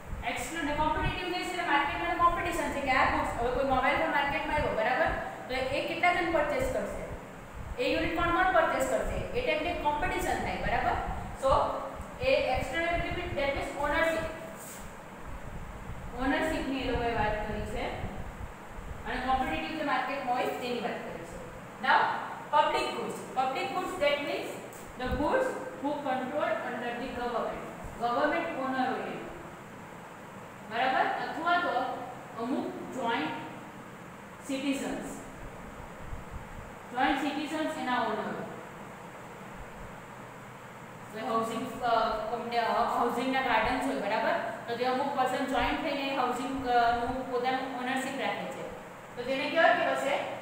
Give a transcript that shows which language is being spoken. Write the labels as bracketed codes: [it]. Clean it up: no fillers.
[gu] એક્સક્લુડ કોમ્પિટિટિવનેસ એટલે માર્કેટમાં કોમ્પિટિશન છે કે આ ગુડ્સ હવે કોઈ મોબાઈલ ફોન માર્કેટમાં આવ્યો, બરાબર, તો એ કેટલા જણ પરચેસ કરશે, એ યુનિટ કોણ પરચેસ કરશે, એ ટાઈપની કોમ્પિટિશન થાય, બરાબર? સો એ એક્સક્લુડેબિલિટી ધેટ મીન્સ ઓનરશીપની એ લોકોએ વાત કરી છે અને કોમ્પિટિટિવ જે માર્કેટ market noise તેની વાત કરી છે. [en] Now public goods. Public goods that means the goods who controlled under the government. [gu] Government owner હોય. બરાબર? અથવા તો અમુક joint citizens. Joint citizens એના owner. હાઉસિંગ હાઉસિંગના ગાર્ડન્સ હોય બરાબર, તો તે અમુક પર્સન જોઈન્ટ થઈને હાઉસિંગનું પોતાનું ઓનરશિપ રાખે છે, તો તેને કેવા કહેવાશે?